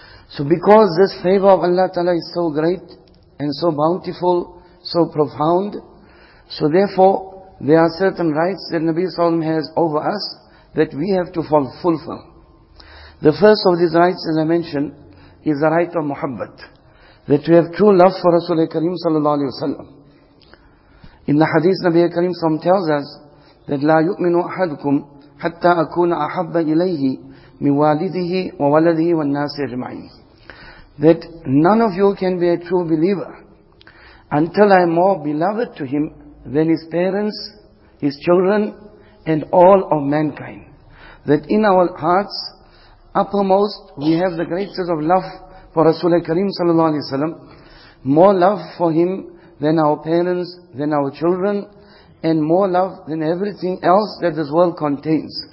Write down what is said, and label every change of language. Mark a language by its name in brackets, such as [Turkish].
[English] So because this favor of Allah Ta'ala is so great and so bountiful, so profound, so therefore there are certain rights that Nabi sallallahu alaihi wasallam has over us that we have to fulfill. The first of these rights, as I mentioned, is the right of muhabbat, that we have true love for Rasul Karim sallallahu alaihi wasallam. In the hadith, Nabi Karim sallallahu alaihi wasallam tells us that [Arabic] لا يؤمن أحدكم حتى أكون أحب إليه من والده وولده والناس أجمعين. [English] That none of you can be a true believer until I am more beloved to him than his parents, his children, and all of mankind. That in our hearts, uppermost, we have the greatest of love for Rasul Karim sallallahu alaihi wasallam, more love for him than our parents, than our children, and more love than everything else that this world contains.